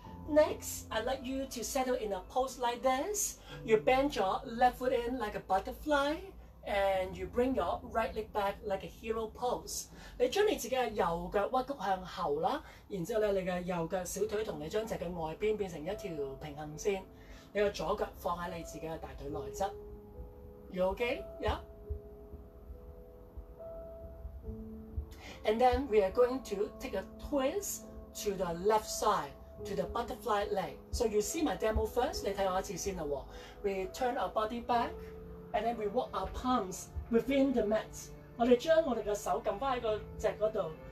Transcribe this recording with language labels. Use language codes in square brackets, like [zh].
[en] Next， I'd like you to settle in a pose like this. You bend your left foot in like a butterfly, and you bring your right leg back like a hero pose. [yue] 你將你自己嘅右腳屈曲向後啦，然之後咧，你嘅右腳小腿同你張脊嘅外邊變成一條平行線。你嘅左腳放喺你自己嘅大腿內側。 [en] You okay? Yeah. And then we are going to take a twist to the left side. To the butterfly leg. So you see my demo first. [yue] 你睇我一次先啦。 [en] We turn our body back, and then we walk our palms within the mat. [yue] 我哋將我哋嘅手撳翻喺個脊嗰度。